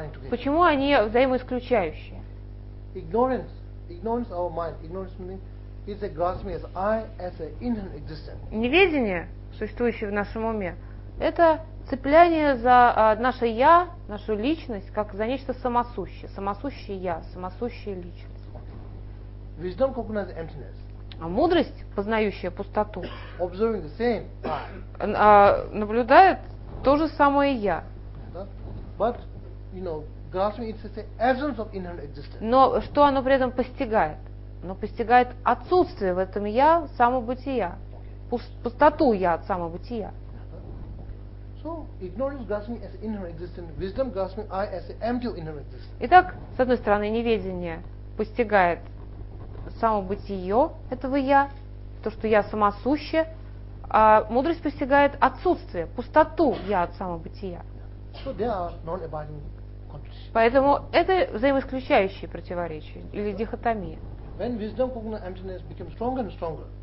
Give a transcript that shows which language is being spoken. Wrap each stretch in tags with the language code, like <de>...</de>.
<ru>Почему они взаимоисключающие?</ru> <en>Ignorance of our mind, ignorance meaning, is a grasping as I as an inherent existence.</en> <ru>Неведение, существующее в нашем уме, это цепляние за наше я, нашу личность, как за нечто самосущее, самосущее я, самосущая личность.</ru> <en>Wisdom recognizes emptiness.</en> <ru>А мудрость, познающая пустоту,</ru> <en>observing the same I,</en> <ru>наблюдает то же самое я.</ru> <en>But, you know, grasping is the essence of inherent existence.</en> <ru>Но что оно при этом постигает? Оно постигает отсутствие в этом я самобытия. Пустоту я от самобытия.</ru> <en>So, ignorance grasping as inherent existence, wisdom grasping I as the empty inherent existence.</en> <ru>Итак, с одной стороны, неведение постигает самобытие этого я, то, что я самосуще, а мудрость постигает отсутствие, пустоту я от самобытия.</ru> <en>So they are non-abiding.</en> <ru>Поэтому это взаимоисключающие противоречия или дихотомия.</ru> <en>When wisdom cognizes emptiness becomes stronger and stronger,</en>